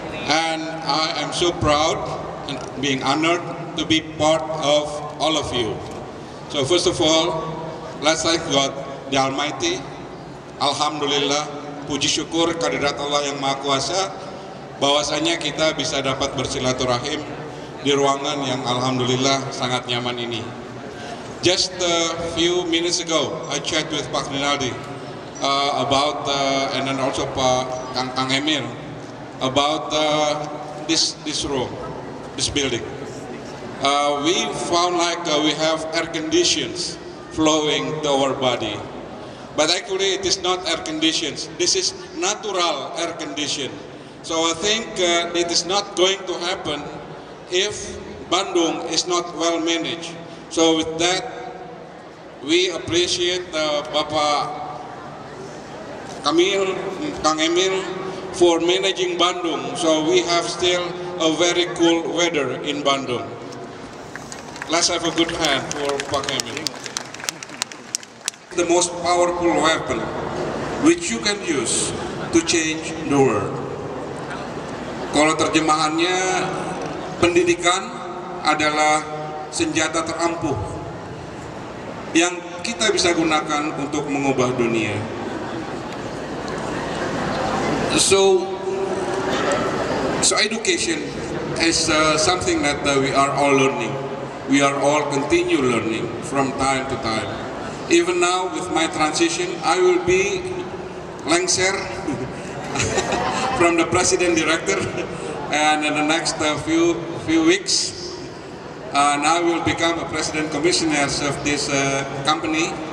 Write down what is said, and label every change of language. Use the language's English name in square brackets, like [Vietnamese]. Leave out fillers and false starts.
[English] And I am so proud and being honored to be part of all of you. So first of all, let's thank God the Almighty. [Indonesian] Alhamdulillah, puji syukur kehadirat Allah yang Maha Kuasa bahwasanya kita bisa dapat bersilaturahim di ruangan yang alhamdulillah sangat nyaman ini. [English] Just a few minutes ago, I chat with Pak Rinaldi and then also Pak Kang Emil about this room, this building. We found like we have air conditions flowing to our body, but actually it is not air conditions. This is natural air condition. So I think it is not going to happen if Bandung is not well managed. So with that, we appreciate Bapak Kamil, Kang Emil, for managing Bandung. So we have still a very cool weather in Bandung. Let's have a good hand for Pak Emil. The most powerful weapon which you can use to change the world. [Indonesian] Kalau terjemahannya, pendidikan adalah senjata terampuh yang kita bisa gunakan untuk mengubah dunia. [English] So education is something that we are all learning. We are all continue learning from time to time. Even now with my transition, I will be lengser from the president director, and in the next few weeks, and I will become a president commissioner of this company.